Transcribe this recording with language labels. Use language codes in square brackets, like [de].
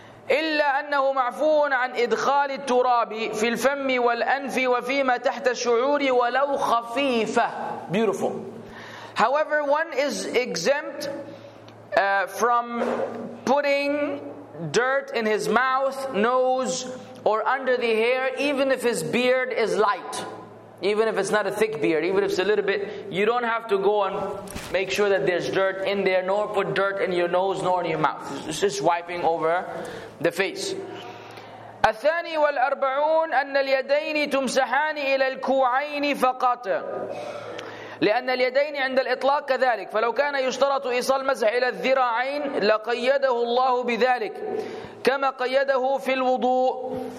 [ar] إلا أنه معفو عن إدخال التراب في الفم والأنف وفيما تحت الشعور ولو خفيفة. [en] Beautiful. However, one is exempt from putting dirt in his mouth, nose, or under the hair, even if his beard is light. Even if it's not a thick beard, even if it's a little bit, you don't have to go and make sure that there's dirt in there, nor put dirt in your nose, nor in your mouth. It's just wiping over the face. [ar] الثاني والأربعون أن اليدين تمسحان إلى الكوعين فقط لأن اليدين عند الإطلاق كذلك فلو كان يشترط إيصال مسح إلى الذراعين لقيده الله بذلك كما قيده في الوضوء.